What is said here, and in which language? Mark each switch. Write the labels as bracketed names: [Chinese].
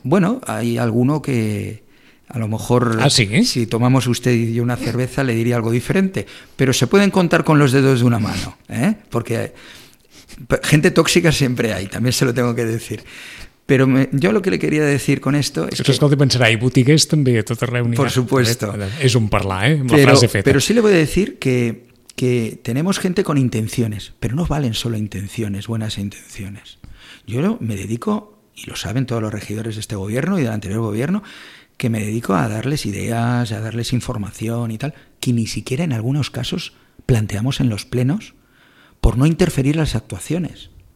[Spanish] Bueno, hay alguno que a lo mejor, si tomamos usted y yo una cerveza, le diría algo diferente. Pero se pueden contar con los dedos de una mano, ¿eh? Porque gente tóxica siempre hay, también se lo tengo que decir. Pero yo lo que le quería decir con esto es que... [Catalan] Escolta, pensarà, i botiguers també a tota reunió. [Spanish] Por supuesto. [Catalan] És un parlar, amb la frase feta. [Spanish] Pero sí le voy a decir que tenemos gente con intenciones, pero no valen solo intenciones, buenas intenciones. Yo me dedico, y lo saben todos los regidores de este gobierno y del anterior gobierno, que me dedico a darles ideas, a darles información y tal, que ni siquiera en algunos casos planteamos en los plenos por no interferir las actuaciones.